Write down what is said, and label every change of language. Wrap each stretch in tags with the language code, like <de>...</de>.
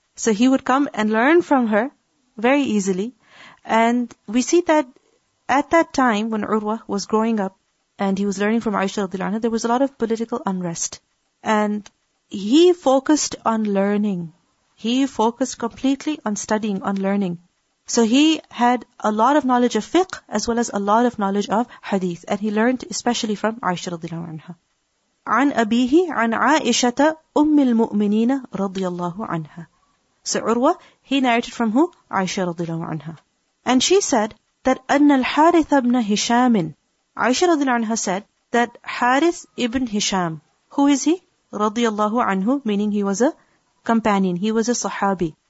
<en>So he would come and learn from her very easily. And we see that at that time when Urwa was growing up and he was learning from Aisha radiallahu anha, there was a lot of political unrest. And He focused on learning. He focused completely on studying, on learning. So he had a lot of knowledge of fiqh as well as a lot of knowledge of hadith. And he learned especially from Aisha radiallahu anha.</en> <ar>عن أبيه عن عائشة أم المؤمنين رضي الله عنها.</ar> <en>So Urwa, he narrated from who? Aisha radiallahu anha. And she said that</en> <ar>أن الحارث ابن هشام.</ar> <en>Aisha radiallahu anha said that Harith ibn Hisham, who is he?</en> <ar>رضي الله عنه,</ar> <en>meaning he was a companion, he was a sahabi.</en>